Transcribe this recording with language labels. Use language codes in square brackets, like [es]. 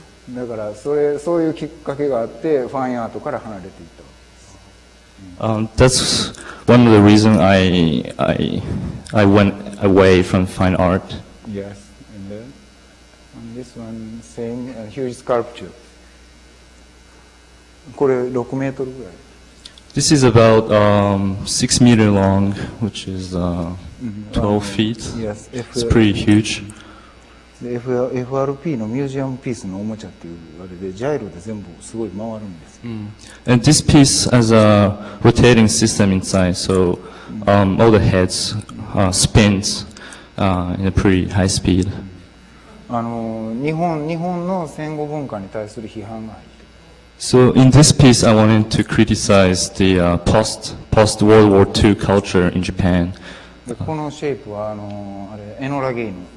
[ja] だからそういうきっかけがあってファインアートから離れていったわけです。 [en] That's one of the reasons I went away from fine art. Yes, and then this one same a huge sculpture. [ja] これ6メートルぐらい。 [en] This is about 6 meter long, which is 12 feet. Yes, it's pretty huge. [ja] FRP のミュージアムピースのおもちゃっていうあれでジャイロで全部すごい回るんです。 [en] And this piece has a rotating system inside, so all the heads spins in a pretty high speed. [ja] 日本の戦後文化に対する批判が入ってる。 [en] So in this piece, I wanted to criticize the post-World War II culture in Japan. [ja] このシェイプはあれエノラゲイの。